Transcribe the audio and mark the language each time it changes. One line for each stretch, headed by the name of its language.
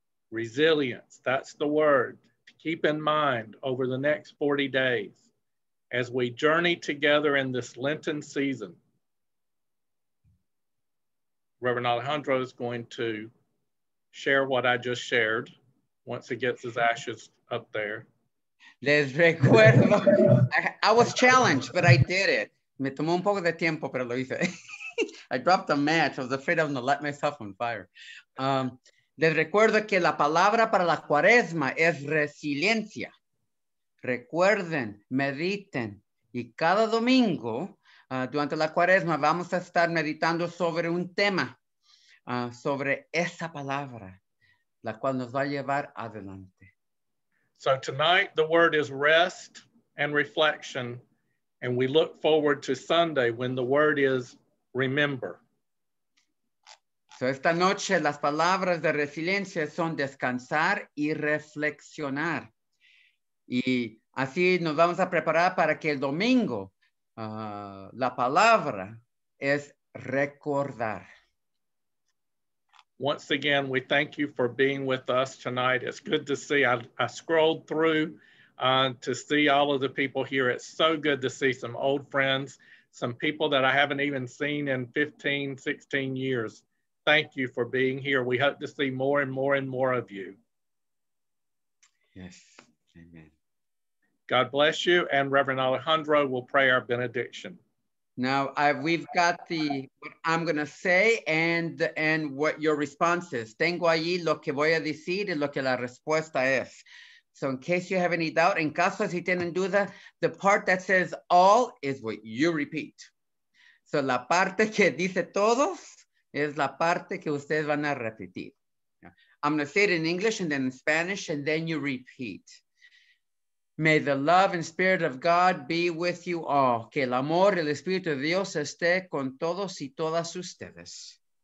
English: Resilience, that's the word. Keep in mind over the next 40 days as we journey together in this Lenten season. Reverend Alejandro is going to share what I just shared once he gets his ashes up there.
Spanish: Les recuerdo,
English: I was challenged, but I did it.
Spanish: Me tomó un poco de tiempo, pero lo hice.
English: I dropped the match. I was afraid I'm going to light myself on fire.
Spanish: Les recuerdo que la palabra para la cuaresma es resiliencia. Recuerden, mediten. Y cada domingo, durante la cuaresma, vamos a estar meditando sobre un tema, sobre esa palabra, la cual nos va a llevar adelante.
English: So tonight, the word is rest and reflection. And we look forward to Sunday when the word is remember.
Spanish: So esta noche las palabras de resiliencia son descansar y reflexionar. Y así nos vamos a preparar para que el domingo la palabra es recordar.
English: Once again, we thank you for being with us tonight. It's good to see. I scrolled through to see all of the people here. It's so good to see some old friends, some people that I haven't even seen in 15, 16 years. Thank you for being here. We hope to see more and more and more of you. Yes. Amen. God bless you. And Reverend Alejandro will pray our benediction. Now, we've got the what I'm going to say and what your response is.
Spanish: Tengo allí lo que voy a decir y lo que la respuesta es.
English: So in case you have any doubt,
Spanish: en caso si tienen duda,
English: the part that says all is what you repeat.
Spanish: So la parte que dice todos es la parte que ustedes van a repetir.
English: I'm going to say it in English and then in Spanish, and then you repeat. May the love and spirit of God be with you all.
Spanish: Que el amor y el espíritu de Dios esté con todos y todas ustedes.